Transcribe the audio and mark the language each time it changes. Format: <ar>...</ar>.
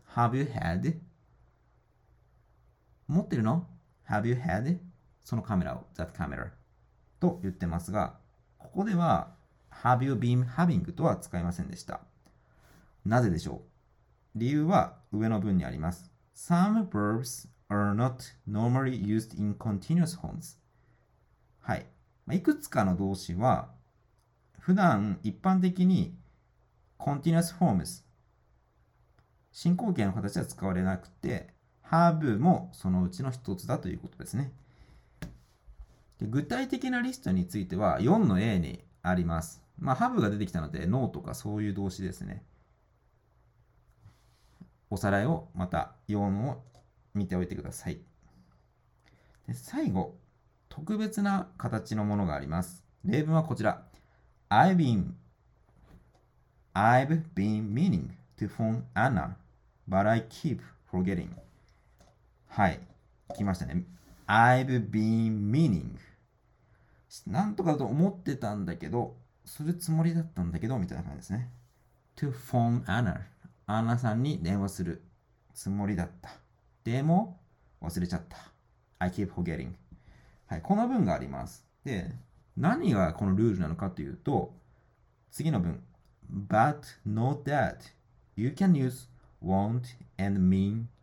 <en>Have you had?</en> <ja>持ってるの?</ja> <en>Have you had</en> <ja>そのカメラを</ja> <en>that camera</en> <ja>と言ってますが、ここでは</ja> <en>Have you been having</en> <ja>とは使いませんでした。なぜでしょう。理由は上の文にあります。</ja> <en>Some verbs are not normally used in continuous forms。</en> <ja>はい、まあ、いくつかの動詞は普段一般的に</ja> <en>continuous forms</en> <ja>進行形の形では使われなくて、ハーブもそのうちの一つだということですね。で、具体的なリストについては4の A にあります。まあ、ハーブが出てきたので、ノーとかそういう動詞ですね。おさらいをまた4を見ておいてください。で、最後、特別な形のものがあります。例文はこちら。</ja> <en>I've been meaning to phone Anna, but I keep forgetting.</en> <ja>はい。来ましたね。</ja> <en>I've been meaning.</en> <ja>なんとかと思ってたんだけど、するつもりだったんだけど、みたいな感じですね。</ja> <en>To phone Anna.</en> <ja>アンナさんに電話するつもりだった。でも、忘れちゃった。</ja> <en>I keep forgetting.</en> <ja>はい。この文があります。で、何がこのルールなのかというと、次の文。</ja> <en>But note that you can use won't and mean.</en>